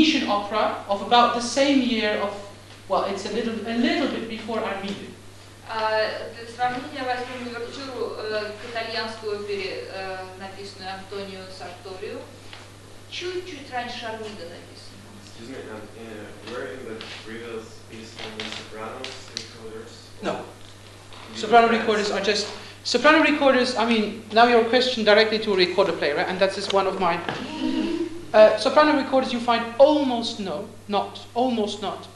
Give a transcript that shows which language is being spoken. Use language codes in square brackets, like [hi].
[en] About the same year of, well, it's a little bit before Amita. [ru] Сравнение возьмем увертюру к итальянской опере, написанную Антонио Сарторио. Чуть-чуть раньше Амита написано. [en] Excuse me, were you the previous piece from the soprano recorders? No. Soprano recorders are just... Soprano recorders, I mean, now you're questioned directly to a recorder player, right? And that's just one of my... soprano recorders you find almost not.